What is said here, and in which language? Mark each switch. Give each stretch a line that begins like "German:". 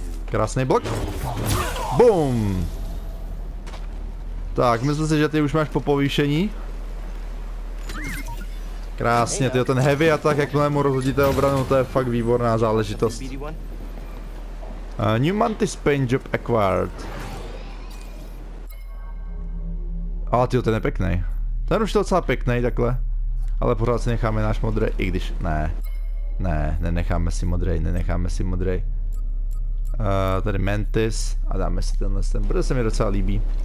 Czech: Krásný blok. Boom. Tak, myslím si, že ty už máš po povýšení. Krásně, tyjo, ten heavy attack, jakmile mu rozhodíte obranu, to je fakt výborná záležitost.
English: New Mantis paint job acquired.
Czech: Ale tyjo, ten je pěkný. Ten už je docela pěkný takhle. Ale pořád si necháme náš modrý, i když ne. Ne, nenecháme si modrý. Tady Mantis a dáme si tenhle ten, protože se mi docela líbí.